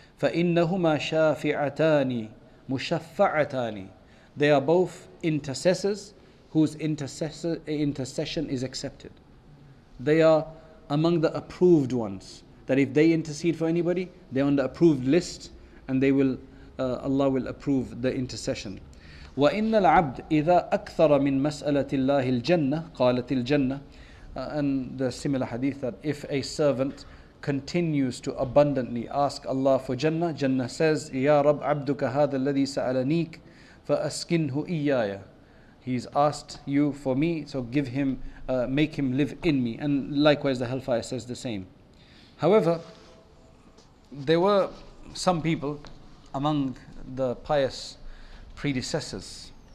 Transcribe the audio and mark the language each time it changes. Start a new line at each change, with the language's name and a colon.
Arabic: فَإِنَّهُمَا شَافِعَتَانِ مُشَفَّعَتَانِ.
English: They are both intercessors whose intercession is accepted. They are among the approved ones. That if they intercede for anybody, they're on the approved list, and they will, Allah will approve the intercession.
Arabic: وَإِنَّ الْعَبْدِ إِذَا أَكْثَرَ مِنْ مَسْأَلَةِ اللَّهِ الْجَنَّةِ قَالَتِ الْجَنَّةِ.
English: And the similar hadith that if a servant continues to abundantly ask Allah for Jannah, Jannah says,
Arabic: Ya Rab Abduka Hadha Ladhi Sa'alaniq Fa Askinhu Iyaya.
English: He's asked you for me, so give him, make him live in me. And likewise, the Hellfire says the same. However, there were some people among the pious predecessors.